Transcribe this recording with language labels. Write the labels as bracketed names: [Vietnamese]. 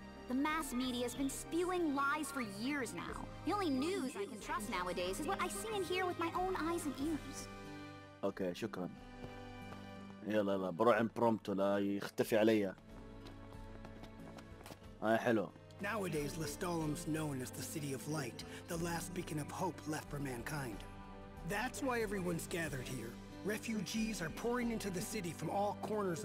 [English] The mass media has been spewing lies for years now. The only news I can trust nowadays is what I see and hear with my own eyes and ears. [Arabic] اوكي شكرا. يلا يلا بروح عند برومت ولا يختفي عليا. هاي حلو. [English] Nowadays, Listalem's known as the City of Light, the last beacon of hope left for mankind. That's why everyone's gathered here. Refugees are pouring into the city from all corners.